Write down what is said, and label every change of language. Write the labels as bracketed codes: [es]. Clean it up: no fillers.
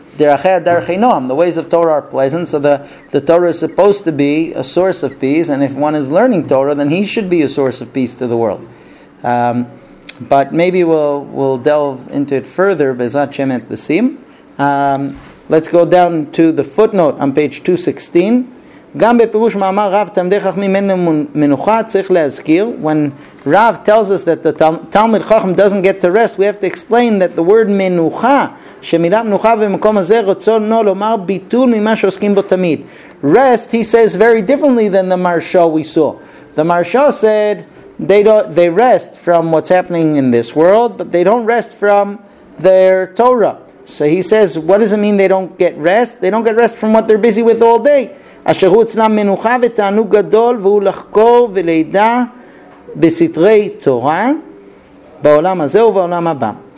[en] The ways of Torah are pleasant, so the Torah is supposed to be a source of peace, and if one is learning Torah, then he should be a source of peace to the world. But maybe we'll delve into it further, Bezat Shem et Vesim. Let's go down to the footnote on page 216. [he] גם בפירוש מאמר רב תלמידי חכמים אין מנוחה צריך להזכיר. [en] When Rav tells us that the Talmud Chacham doesn't get to rest, we have to explain that the word מנוחה, [he] שמילה מנוחה במקום הזה רצונו לומר ביטול ממה שעוסקים בו תמיד. [en] Rest, he says very differently than the Marsha we saw. The Marsha said they rest from what's happening in this world, but they don't rest from their Torah. So he says, what does it mean they don't get rest? They don't get rest from what they're busy with all day. [he] אשר הוא אצלם מנוחה ותענו גדול והוא לחקור ולידע בסתרי תורה בעולם הזה ובעולם הבא.